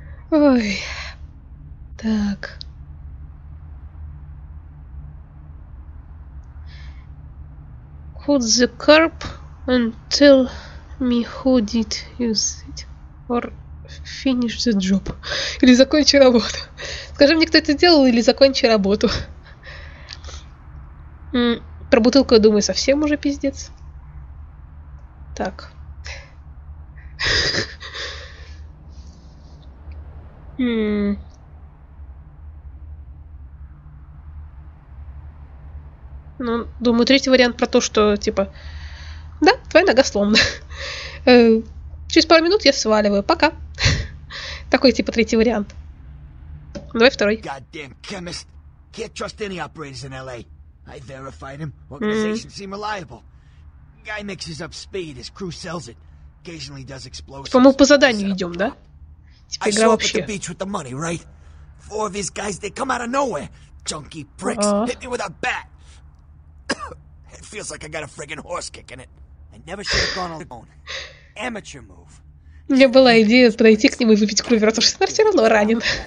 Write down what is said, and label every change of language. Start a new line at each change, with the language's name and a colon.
Russian: Ой. Так.
English: Put the carp and tell me who did use it. Or finish the job.
Russian: Или закончи работу. Скажи мне, кто это сделал, или закончи работу. Про бутылку, я думаю, совсем уже пиздец. Так. Ну, думаю, третий вариант про то, что, типа, да, твоя нога сломана. Через пару минут я сваливаю. Пока. Такой, типа, третий вариант. Давай второй.
English: Goddamn chemist. Can't trust any operators in LA. I verified him. Organization seem reliable. Guy mixes up speed, his crew sells it. Occasionally does explosions.
Russian: Типа, мы по заданию идем, да? Типа, игра вообще.
English: I saw up at the beach with the money, right? Four of these guys, they come out of nowhere. Junkie pricks. Hit me with a bat. feels like I got a friggin' horse kicking it. I never should have gone alone. Amateur move.
Russian: У меня была идея подойти к нему и выпить кровь, потому что он все равно ранен.